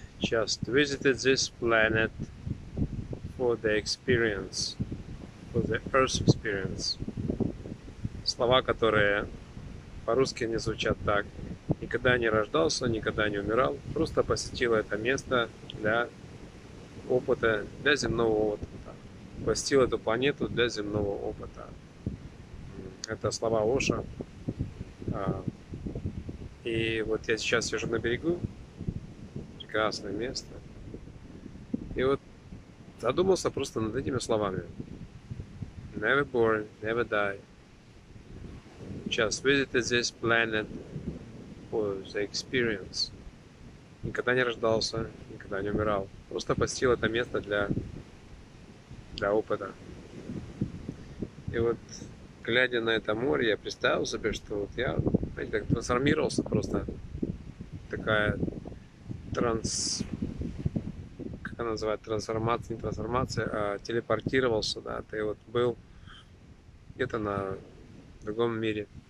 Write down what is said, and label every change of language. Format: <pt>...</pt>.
<en>Just visited this planet for the experience, for the Earth experience.</en> <ru>Слова, которые по-русски не звучат так. Никогда не рождался, никогда не умирал. Просто посетил это место для опыта, для земного опыта. Посетил эту планету для земного опыта. Это слова Оша. И вот я сейчас сижу на берегу, прекрасное место. И вот задумался просто над этими словами.</ru> <en>Never born, never die. Just visited this planet for the experience.</en> <ru>Никогда не рождался, никогда не умирал. Просто посетил это место для опыта. И вот, глядя на это море, я представил себе, что вот я, знаете, так трансформировался просто. Такая как она называется, трансформация, не трансформация, а телепортировался, да, ты вот был где-то на другом мире.</ru>